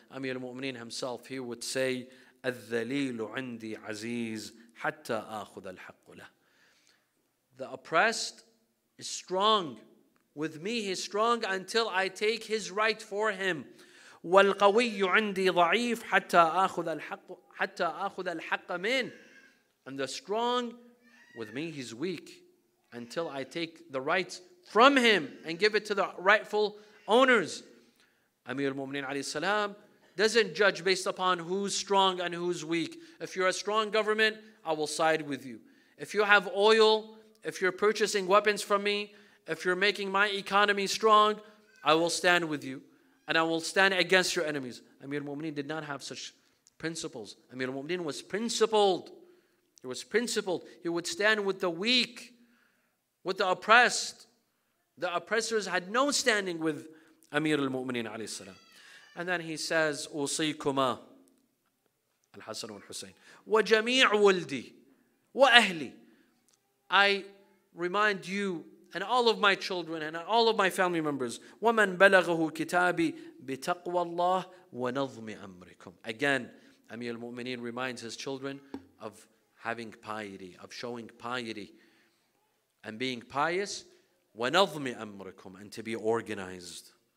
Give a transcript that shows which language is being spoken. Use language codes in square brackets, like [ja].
[en] Amir al-Mu'mineen himself, he would say, [ar] الذليل عندي عزيز حتى آخذ الحق له. [en] The oppressed is strong. With me, he's strong until I take his right for him. [ar] وَالْقَوِيُّ عندي ضعيف حتى آخذ الحق من. [en] And the strong, with me, he's weak. Until I take the rights from him and give it to the rightful owners. Amir al-Mu'mineen alayhi salam doesn't judge based upon who's strong and who's weak. If you're a strong government, I will side with you. If you have oil, if you're purchasing weapons from me, if you're making my economy strong, I will stand with you. And I will stand against your enemies. Amir al-Mu'mineen did not have such principles. Amir al-Mu'mineen was principled. He was principled. He would stand with the weak. With the oppressed. The oppressors had no standing with Amir al-Mu'mineen alayhi salam. And then he says, [ar] أوصيكما الحسن والحسين وجميع ولدي وأهلي. [en] I remind you and all of my children and all of my family members, [ar] ومن بلغه كتابي بتقوى الله ونظم أمركم. [en] Again, Amir al-Mu'mineen reminds his children of having piety, of showing piety and being pious, [ar] ونظم أمركم, [en] and to be organized.